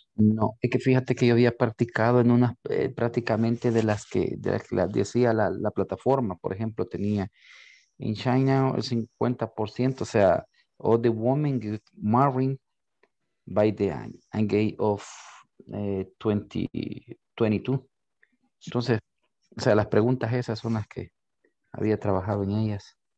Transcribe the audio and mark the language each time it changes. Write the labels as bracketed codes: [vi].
[es] No, es que fíjate que yo había practicado en unas prácticamente de las que decía la plataforma. Por ejemplo, tenía [en] In China, [es] el 50%, o sea, [en] all the women get married by the age of 22. [es] Entonces, o sea, las preguntas esas son las que había trabajado en ellas.